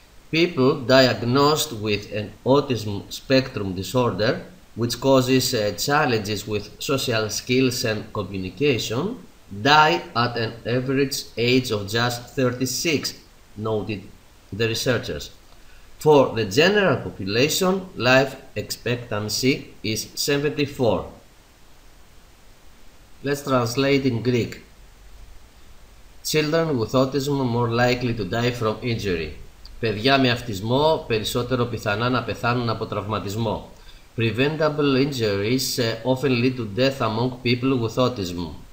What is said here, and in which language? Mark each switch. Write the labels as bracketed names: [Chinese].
[English] People diagnosed with an autism spectrum disorder, which causes challenges with social skills and communication, die at an average age of just 36, noted the researchers. For the general population, life expectancy is 74. Let's translate in Greek. Children with autism are more likely to die from injury. [Greek] Παιδιά με αυτισμό περισσότερο πιθανά να πεθάνουν από τραυματισμό. [English] Preventable injuries often lead to death among people with autism.